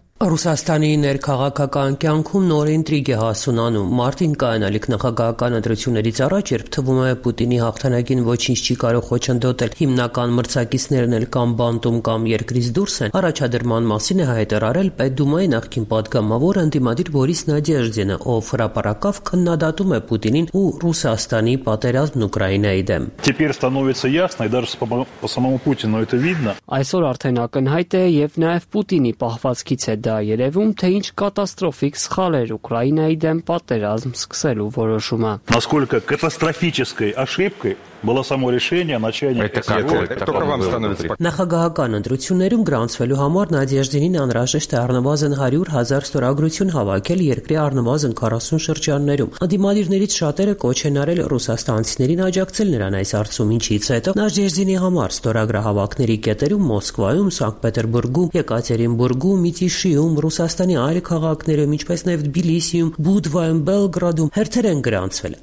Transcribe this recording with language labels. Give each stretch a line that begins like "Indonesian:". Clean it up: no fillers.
Armenian: Ռուսաստանի ներքաղաքական կյանքում նոր ինտրիգ է հասունանում։ Մարտին կայանալիք նախագահական ընտրություններից առաջ, երբ թվում է Պուտինի հաղթանակին ոչինչ չի կարող խոչընդոտել, հիմնական մրցակիցներն էլ կամ բանտում կամ երկրից դուրս են, առաջադրման մասին է հայտարարել Պետդումայի նախկին պատգամավոր ընդդիմադիր Բորիս Նադեժդինը, ով հրապարակավ քննադատում է Պուտինին ու Ռուսաստանի պատերազմն Ուկրաինայի դեմ։ Այսօր արդեն ակնհայտ է եւ նաեւ Պուտինի պահվածքից դա երևում, թե ինչ կատաստրոֆիկ սխալ էր Ուկրաինայի դեմ պատերազմ սկսելու որոշումը։
Russian: Насколько катастрофической ошибкой было само решение начать это как это вам становится
Armenian: Նախագահական ընտրություններում գրանցվելու համար Նադեժդինին անհրաժեշտ է առնվազն 100,000 ստորագրություն հավաքել երկրի առնվազն 40 շրջաններում։ Անդիմադիրներից շատերը կոչ են արել ռուսաստանցիներին աջակցել նրան այս հարցում, ինչից հետո Նադեժդինի համար ստորագրահավաքների կետերում Մոսկվայում, Սանկտպետերբուրգում, Եկատերինբուրգում, Միտիշիում, Ռուսաստանի այլ քաղաքներում, ինչպես նաև Թբիլիսիում, Բուդվայում, Բելգրադում հերթեր են գրանցվել։